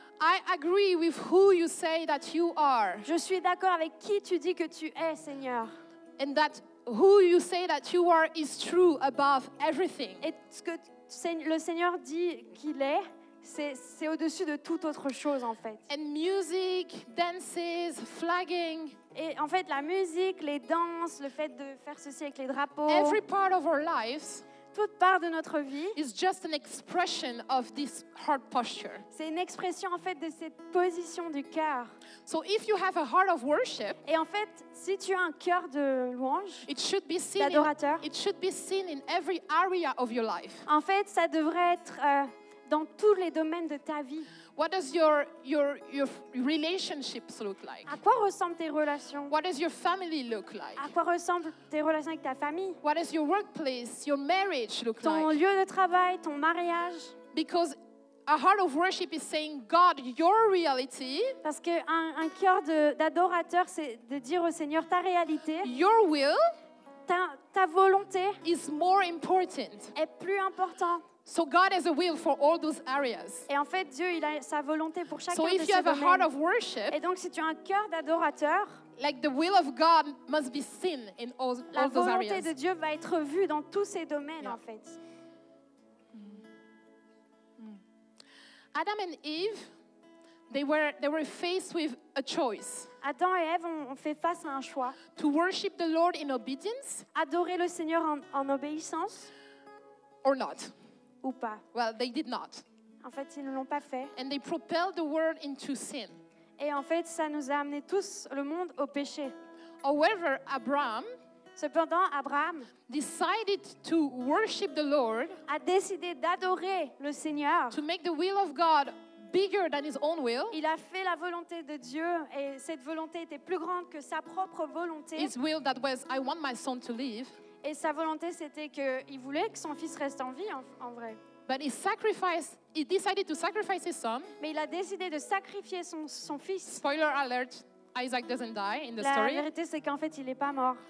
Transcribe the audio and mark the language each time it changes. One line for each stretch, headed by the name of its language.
English: I agree with who you say that you are.
French: Je suis d'accord avec qui tu dis que tu es, Seigneur.
English: And that who you say that you are is true above everything.
French: Et ce que le Seigneur dit qu'il est, c'est au-dessus de toute autre chose en fait.
English: And music, dances, flagging.
French: Et en fait, la musique, les danses, le fait de faire ceci avec les drapeaux.
English: Every part of our lives.
French: toute part de notre vie.
English: It's just an expression of this heart posture.
French: C'est une expression en fait de cette position du cœur.
English: So if you have a heart of worship,
French: et en fait, si tu as un cœur de louange,
English: it should be seen
French: d'adorateur,
English: it should be seen in every area of your life.
French: En fait, ça devrait être dans tous les domaines de ta vie.
English: What does your relationships look like?
French: À quoi ressemblent tes relations?
English: What does your family look like?
French: À quoi ressemblent tes relations avec ta famille?
English: What does your workplace, your marriage look
French: ton
English: like?
French: Ton lieu de travail, ton mariage?
English: Because a heart of worship is saying, God, your reality.
French: Parce que un cœur d'adorateur, c'est de dire au Seigneur ta réalité.
English: Your will.
French: Ta volonté.
English: Is more important.
French: Est plus important.
English: So God has a will for all those areas.
French: Et en fait, Dieu, il a sa volonté pour chacun
English: so
French: de ces domaines.
English: So if you have a heart of worship,
French: et donc si tu as un cœur d'adorateur,
English: like the will of God must be seen in all those areas.
French: La volonté de Dieu va être vue dans tous ces domaines,
English: yeah.
French: En fait.
English: Adam and Eve, they were faced with a choice.
French: Adam et Ève ont fait face à un choix.
English: To worship the Lord in obedience.
French: Adorer le Seigneur en obéissance.
English: Or not.
French: Ou pas.
English: Well, they did not.
French: En fait, ils ne l'ont pas fait.
English: And they propelled the world into sin.
French: Et en fait, ça nous a amené tous le monde au péché.
English: However, Abraham,
French: cependant, Abraham
English: decided to worship the Lord,
French: a décidé d'adorer le Seigneur,
English: to make the will of God bigger than his own will.
French: Il a fait la volonté de Dieu et cette volonté était plus grande que sa propre volonté.
English: His will that was I want my son to live.
French: Et sa volonté, c'était qu'il voulait que son fils reste en vie, en vrai.
English: But he decided to sacrifice his son.
French: Mais il a décidé de sacrifier son fils.
English: Spoiler alert, Isaac doesn't die in the
French: la
English: story.
French: La vérité, c'est qu'en fait, il n'est pas mort,